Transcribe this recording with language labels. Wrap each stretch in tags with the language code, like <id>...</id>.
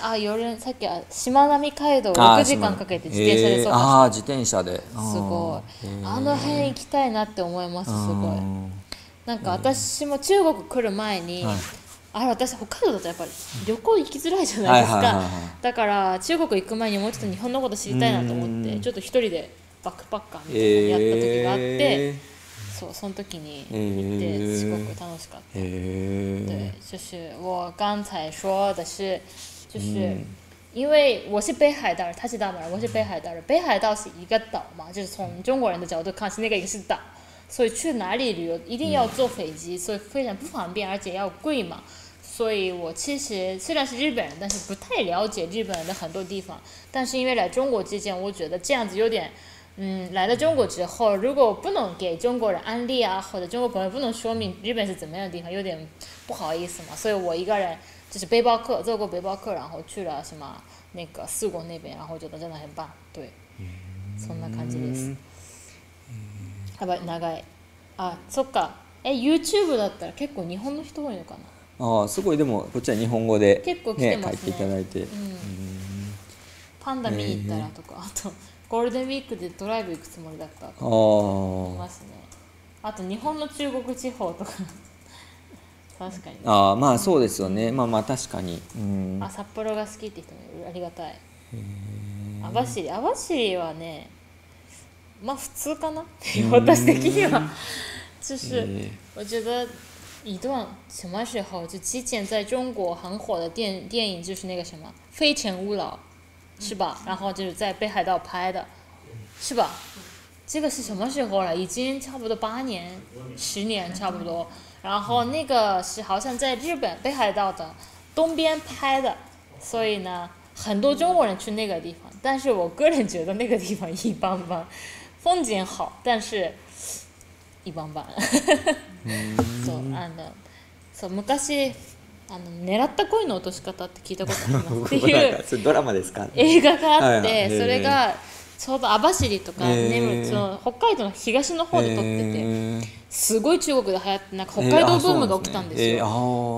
<ja>あ、夜、さっき、しまなみ海道6時間かけて自転車でそうか。ああ、自転車で。すごい。あの辺行きたいなって思います、すごい。なんか私も中国来る前に、あれ私北海道だとやっぱり旅行行きづらいじゃないですか、はいはいはいはい、だから中国行く前にもうちょっと日本のこと知りたいなと思ってちょっと一人でバックパッカーみたいなやった時があって、そう、その時に行ってすごく楽しかった、</ja> <zh>对、就是我刚才说的是就是因为我是北海道人、他是大马人、我是北海道人、北海道是一个岛嘛、就是从中国人的角度看是那个一个是岛、所以去哪里旅游一定要坐飞机、所以非常不方便而且要贵嘛，所以我其实虽然是日本人但是不太了解日本人的很多地方，但是因为来中国之前我觉得这样子有点来了中国之后如果不能给中国人安利啊，或者中国朋友不能说明日本是怎么样的地方有点不好意思嘛，所以我一个人就是背包客坐过背包客然后去了什么那个四国那边，然后觉得真的很棒，对，</zh> <ja>そんな感じです。やばい、長い。あ、そっか。え、YouTube だったら結構日本の人多いのかな。ああ、すごい。でも、こっちは日本語で、ね、結構来てますね。書いていただいて、うん。パンダ見に行ったらとか、あと、ゴールデンウィークでドライブ行くつもりだったとか、いますね。あと、日本の中国地方とか。確かに、ね。ああ、まあそうですよね。まあまあ確かに。うん、あ、札幌が好きって人もいる。ありがたい。網走。網走はね、まあ普通かな、私的には。</ja> <zh>就是我觉得一段什么时候就之前在中国很火的 电影就是那个什么非诚勿扰是吧，然后就是在北海道拍的是吧，这个是什么时候了，已经差不多八年十年差不多，然后那个是好像在日本北海道的东边拍的，所以呢很多中国人去那个地方，但是我个人觉得那个地方一般般，风景好，但是一般般。</zh> <ja>そう、あの、そう、昔あの狙った恋の落とし方って聞いたことありますっていう、それドラマですか？映画があって、それがちょうど網走とか、北海道の東の方で撮ってて、すごい中国で流行って、なんか北海道ブームが起きたんですよ。</ja>